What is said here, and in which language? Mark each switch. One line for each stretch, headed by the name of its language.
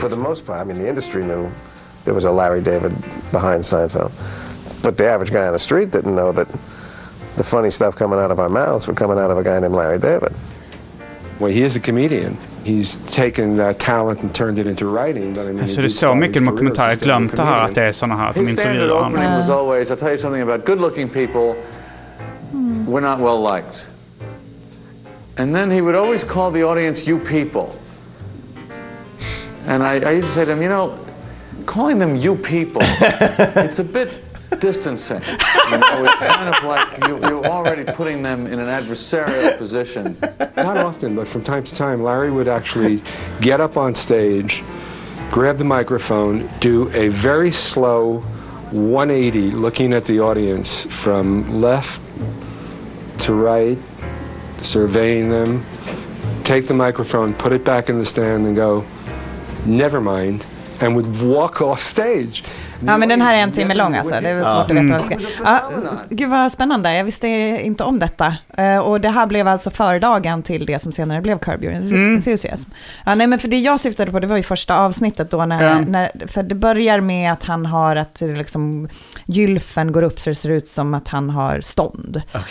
English: For the most part, I mean the industry knew. It was a Larry David behind Seinfeld. But the average guy on the street didn't know that the funny stuff coming out of our mouths were coming out of a guy named Larry David. Well, he is a comedian. He's taken that talent and turned it into writing. But I mean,
Swedish: så det är så mycket dokumentärer, jag glömde här att det är såna här, att de intervjuar honom.
English: His standard opening was always, I'll tell you something about good-looking people, we're not well-liked. And then he would always call the audience, you people. And I used to say to him, you know, calling them you people, it's a bit distancing. You know, it's kind of like you're already putting them in an adversarial position. Not often, but from time to time, Larry would actually get up on stage, grab the microphone, do a very slow 180, looking at the audience from left to right, surveying them, take the microphone, put it back in the stand and go, never mind, and would walk off stage.
Swedish: Ja, men den här är en timme lång alltså. Det är väl svårt att veta vad det ska. Gud vad spännande, jag visste inte om detta. Och det här blev alltså föredagen till det som senare blev Curb Your Enthusiasm. Ja, nej, men för det jag syftade på, det var ju första avsnittet då. När, för det börjar med att han har att liksom, gylfen går upp så det ser ut som att han har stånd.